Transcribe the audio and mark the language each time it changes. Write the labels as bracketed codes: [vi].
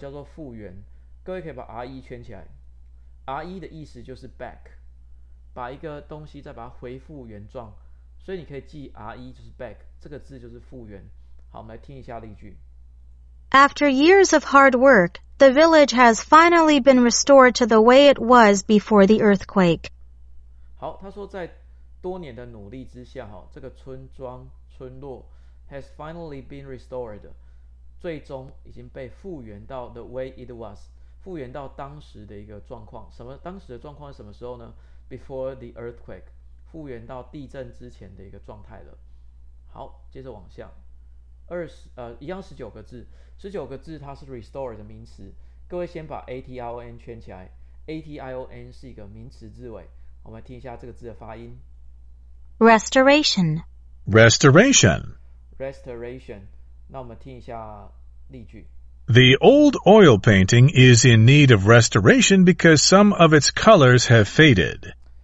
[zh] 叫做复原，各位可以把 re 圈起来， re 的意思就是 back， 把一个东西再把它恢复原状，所以你可以记 re 就是 back，这个字就是复原。好，我们来听一下例句。 [en] After years of hard work, the village has finally been restored to the way it was before the earthquake. [zh] 好，他说在多年的努力之下，这个村庄村落 [en] has finally been restored， [zh] 最终已经被复原到 [en] the way it was， [zh] 复原到当时的一个状况。什么当时的状况是什么时候呢？ [en] Before the earthquake， [zh] 复原到地震之前的一个状态了。好，接着往下，一样十九个字，十九个字它是 restore 的名词，各位先把 ation 圈起来， ation 是一个名词字尾，我们来听一下这个字的发音， [en] restoration， restoration， [zh] restoration， 那我们听一下例句。 [en] The old oil painting is in need of restoration because some of its colors have faded.